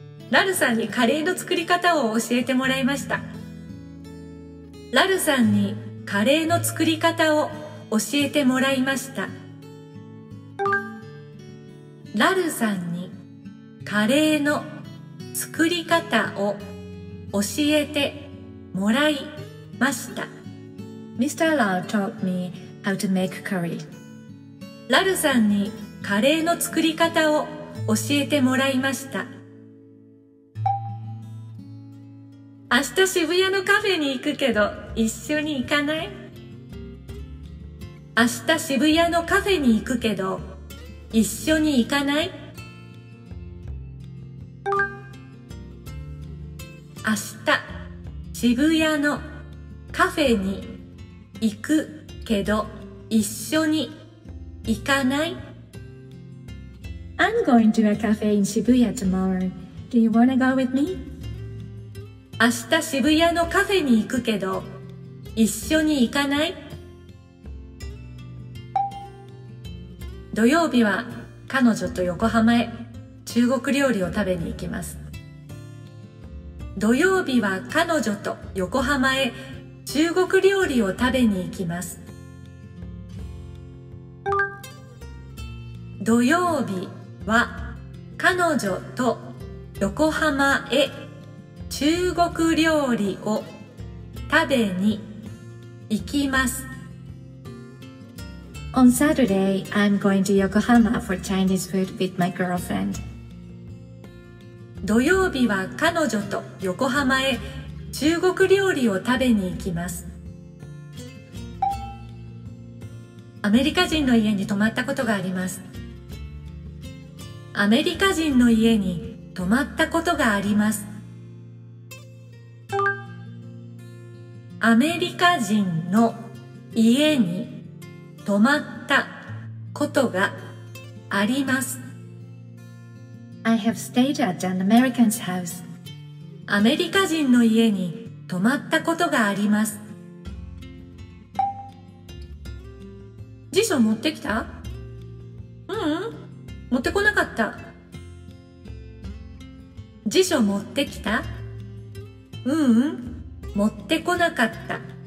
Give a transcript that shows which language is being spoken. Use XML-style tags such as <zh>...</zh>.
<ja>ラルさんにカレーの作り方を教えてもらいました。ラルさんにカレーの作り方を教えてもらいました。ラルさんにカレーの作り方を教えてもらいました。</ja> <en>Mr. Lau taught me how to make curry.</en> <ja>ラルさんにカレーの作り方を教えてもらいました。明日渋谷のカフェに行くけど一緒に行かない？明日渋谷のカフェに行くけど一緒に行かない？明日渋谷のカフェに行くけど一緒に行かない？</ja> <en>I'm going to a cafe in Shibuya tomorrow. Do you wanna go with me?</en> <ja>明日渋谷のカフェに行くけど一緒に行かない？土曜日は彼女と横浜へ中国料理を食べに行きます。土曜日は彼女と横浜へ中国料理を食べに行きます。土曜日は彼女と横浜へ中国料理を食べに行きます。</ja> <en>On Saturday, I'm going to Yokohama for Chinese food with my girlfriend.</en> <ja>土曜日は彼女と横浜へ中国料理を食べに行きます。アメリカ人の家に泊まったことがあります。アメリカ人の家に泊まったことがあります。アメリカ人の家に泊まったことがあります。</ja> <en>I have stayed at an American's house.</en> <ja>アメリカ人の家に泊まったことがあります。辞書持ってきた？ううん、持ってこなかった。辞書持ってきた？ううん、持ってこなかった。</ja>